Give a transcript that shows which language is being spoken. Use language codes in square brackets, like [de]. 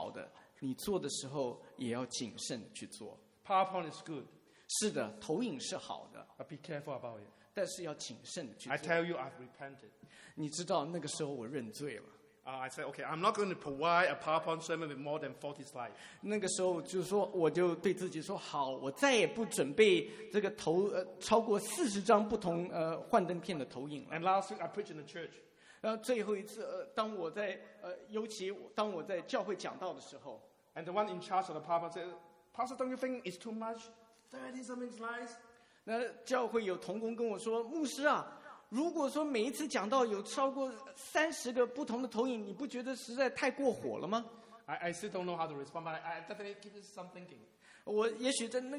[zh] 他说，就算大家认为是好的，你做的时候也要谨慎去做。 [en] PowerPoint is good. [zh] 是的，投影是好的。 [en] But be careful about it. [zh] 但是要谨慎去做。 [en] I tell you, I've repented. [zh] 你知道那个时候我认罪了。 [en] I said, okay, I'm not going to provide a PowerPoint sermon with more than 40 slides. [zh] 那个时候就说，我就对自己说，好，我再也不准备这个投超过40张不同幻灯片的投影了。 [en] And last week I preached in the church. [zh] 然后最后一次，当我在尤其当我在教会讲道的时候 [en] ，And the one in charge of the PowerPoint said, Pastor, don't you think it's too much? 30 something slides. [zh] 那教会有同工跟我说，牧师啊。如果说每一次讲到有超过30个不同的投影，你不觉得实在太过火了吗？ [en] I still don't know how to respond, but I definitely give you some thinking.